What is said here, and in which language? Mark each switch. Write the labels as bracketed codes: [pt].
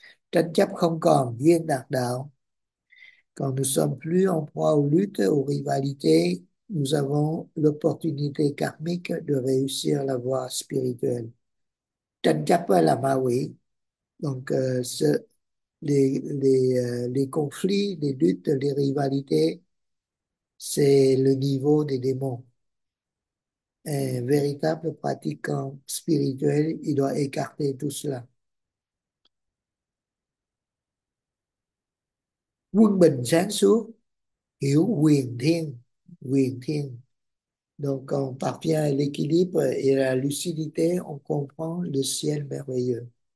[vi] Tranh chấp không còn, duyên đạt đạo. [fr] Quand nous ne sommes plus en proie aux luttes, aux rivalités, nous avons l'opportunité karmique de réussir la voie spirituelle. [vi] Tranh chấp là ma quỷ. [fr] Donc, les conflits, les luttes, les rivalités, c'est le niveau des démons. Un véritable pratiquant spirituel, il doit écarter tout cela. [vi] Quân bình sáng suốt, hiểu quyền thiên, quyền thiên. [fr] Donc, on parvient à l'équilibre et à la lucidité, on comprend le ciel merveilleux.